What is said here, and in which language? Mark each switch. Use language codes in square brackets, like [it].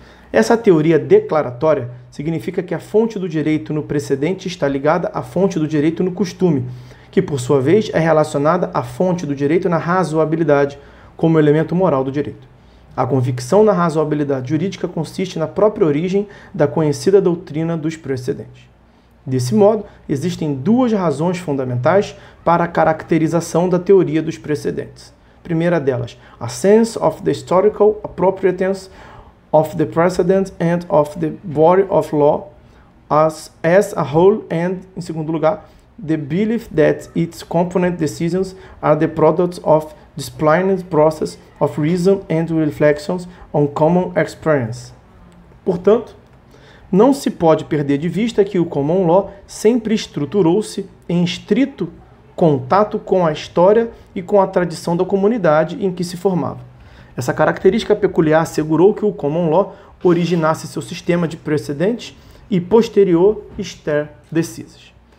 [pt] Essa teoria declaratória significa que a fonte do direito no precedente está ligada à fonte do direito no costume, que por sua vez é relacionada à fonte do direito na razoabilidade, como elemento moral do direito. A convicção na razoabilidade jurídica consiste na própria origem da conhecida doutrina dos precedentes. Desse modo, existem duas razões fundamentais para a caracterização da teoria dos precedentes. Primeira delas, [en] a sense of the historical appropriateness of the precedent and of the body of law as a whole, and, [pt] em segundo lugar, [en] the belief that its component decisions are the products of disciplined process of reason and reflections on common experience. [pt] Portanto, não se pode perder de vista que o Common Law sempre estruturou-se em estrito contato com a história e com a tradição da comunidade em que se formava. Essa característica peculiar assegurou que o Common Law originasse seu sistema de precedentes e posterior stare decisis.